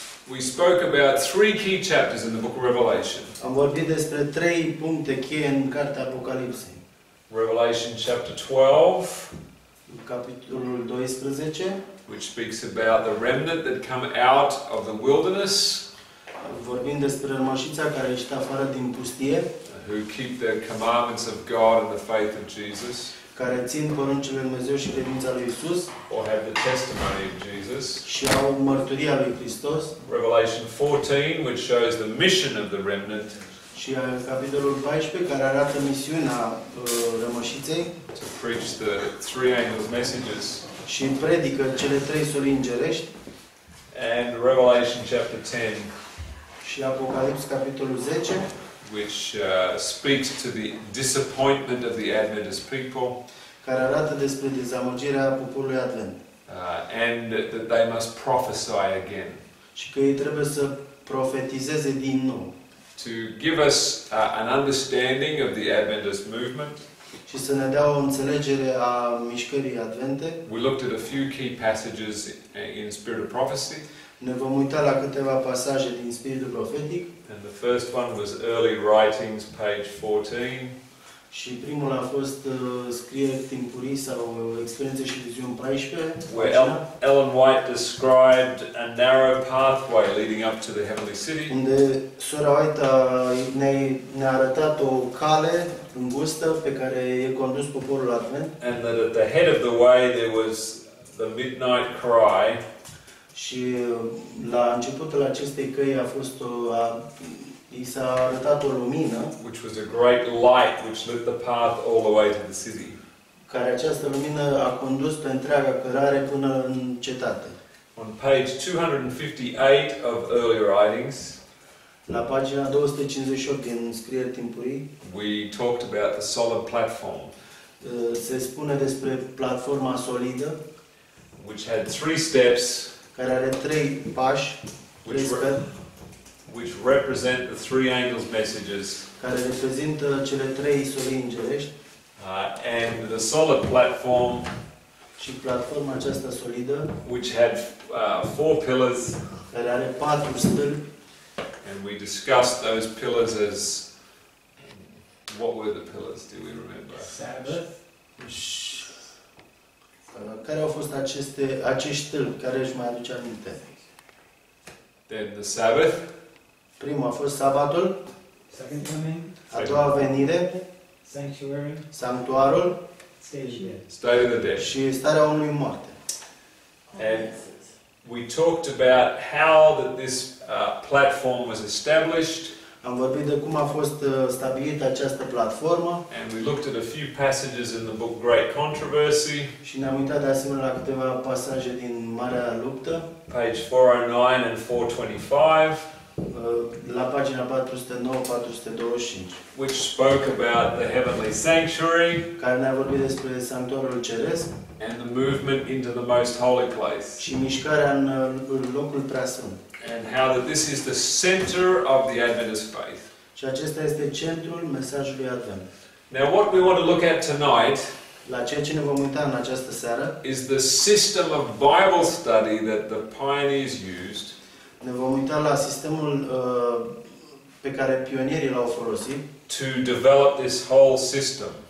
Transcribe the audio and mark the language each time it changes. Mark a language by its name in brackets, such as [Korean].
[English] we spoke about three key chapters in the book of Revelation. [Romanian] Am vorbit despre trei puncte cheie în cartea Apocalipsei. [English] Revelation chapter 12, [Romanian] capitolul 12, [English] which speaks about the remnant that come out of the wilderness. [Romanian] Vorbim despre rămășița care ieșit afară din pustie. [English] Who keep the commandments of God and the faith of Jesus. [Romanian] Care țin poruncile lui Dumnezeu și credința lui Isus. [English] Or have the testimony of Jesus. [Romanian] Și au mărturia lui Hristos. [English] Revelation 14, which shows the mission of the remnant. [Romanian] Și capitolul 14, care arată misiunea rămășiței. [English] To preach the three angels messages. [Romanian] Și predică cele trei soli îngerești. [English] And Revelation chapter 10. [Romanian] Și Apocalipsa capitolul 10, [English] which speaks to the disappointment of the Adventist people, [Romanian] care arată despre dezamăgirea poporului advent. [English] And that they must prophesy again. [Romanian] Și că ei trebuie să profetizeze din nou. [English] To give us an understanding of the Adventist movement. [Romanian] Și să ne dea o înțelegere a mișcării advente. [English] We looked at a few key passages in Spirit of Prophecy. [Romanian] Ne vom uita la câteva pasaje din Spiritul Profetic. [English] And the first one was early writings, page 14. [Romanian] Și primul a fost scrieri timpurii sau experiențe și viziuni 14. [English] Where Ellen White described a narrow pathway leading up to the heavenly city. [Romanian] Unde sora White ne-a arătat o cale îngustă pe care e condus poporul advent. [English] And that at the head of the way there was the midnight cry. [Romanian] Și la începutul acestei căi a fost i s-a arătat o lumină, [English] which was a great light which lit the path all the way to the city. [Romanian] Care această lumină a condus pe întreaga cărare până în cetate. [English] On page 258 of early writings. [Romanian] La pagina 258 din scrieri timpurii. [English] We talked about the solid platform. [Romanian] Se spune despre platforma solidă, [English] which had three steps. [Romanian] Care are trei pași, [English] which represent the three angels' messages. [Romanian] Care reprezintă cele trei soli îngerești. [English] And the solid platform. [Romanian] Și platforma aceasta solidă. [English] Which had four pillars. [Romanian] Care are patru stâlpi. [English] And we discussed those pillars as what were the pillars? Do we remember? Sabbath. [Romanian] care au fost aceste acești stâlpi care își mai aduce aminte? [English] Then the Sabbath. [Romanian] Primul a fost sabatul. [English] Second coming. [Romanian] A doua venire. [English] Sanctuary. [Romanian] Sanctuarul. [English] State of the dead. [Romanian] Și starea omului mort. [English] And we talked about how that this platform was established. [Romanian] Am vorbit de cum a fost stabilită această platformă. [English] And we looked at a few passages in the book Great Controversy. [Romanian] Și ne-am uitat de asemenea la câteva pasaje din Marea Luptă. [English] Page 409 and 425. [Romanian] La pagina 409-425. [English] Which spoke about the heavenly sanctuary. [Romanian] Care ne-a vorbit despre sanctuarul ceresc. [English] And the movement into the most holy place. [Romanian] Și mișcarea în locul preasfânt. [English] And how that this is the center of the Adventist faith. [Romanian] Și acesta este centrul mesajului Advent. [English] Now what we want to look at tonight, [Romanian] la ceea ce ne vom uita în această seară, [English] is the system of Bible study that the pioneers used. [Romanian] Ne vom uita la sistemul pe care pionierii l-au folosit, [English] to develop this whole system.